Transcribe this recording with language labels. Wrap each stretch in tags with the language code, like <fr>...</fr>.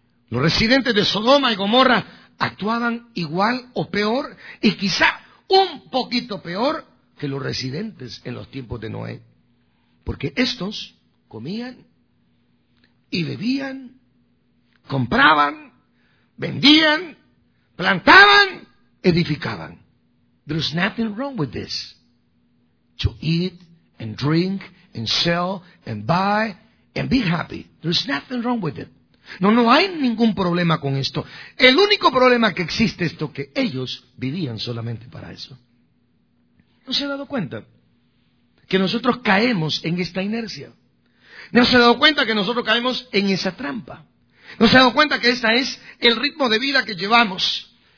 <es>Los residentes de Sodoma y Gomorra actuaban igual o peor, y quizá un poquito peor que los residentes en los tiempos de Noé. Porque estos comían y bebían, compraban, vendían, plantaban, edificaban.</es> <en>There's nothing wrong with this. To eat and drink and sell and buy and be happy. There's nothing wrong with it.</en> <es>No hay ningún problema con esto. El único problema que existe es que ellos vivían solamente para eso. ¿No se ha dado cuenta que nosotros caemos en esta inercia? ¿No se ha dado cuenta que nosotros caemos en esa trampa? ¿No se ha dado cuenta que este es el ritmo de vida que llevamos?</es>